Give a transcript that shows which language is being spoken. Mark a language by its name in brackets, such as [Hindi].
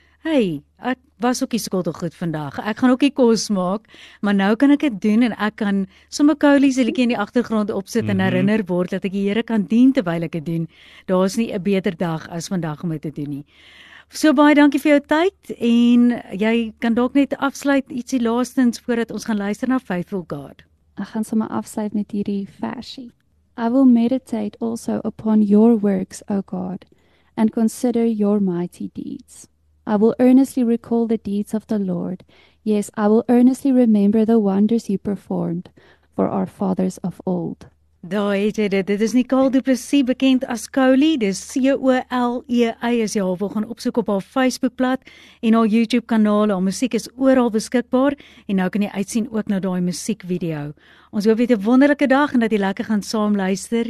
[Afrikaans] hey, ek was ook die skottelgoed vandag. Ek gaan ook die kos maak, maar nou kan ek het doen en ek kan sommer Coley se liedjie in die agtergrond opsit en herinner word dat ek die Here kan dien terwyl ek het doen. Daar is nie 'n beter dag as vandag om dit te doen nie. So baie dankie vir jou tyd en jy kan dalk net afsluit ietsie laastens voordat ons gaan luister na Faithful God. Ek gaan sommer afsluit met hierdie versie. [English] I will meditate also upon your works, O God, and consider your mighty deeds. I will earnestly recall the deeds of the Lord. Yes, I will earnestly remember the wonders you performed for our fathers of old. [Afrikaans] Daar het jy dit. Dit is Nicole Du Plessis, bekend as Coley. Dis Coley, as jy haar wil gaan opsoek op haar Facebookblad en haar YouTube-kanaal. Haar muziek is oral beskikbaar en nou kan jy uitsien ook na die muziekvideo. Ons hoop jy het 'n wonderlijke dag en dat jy lekker gaan saam luister.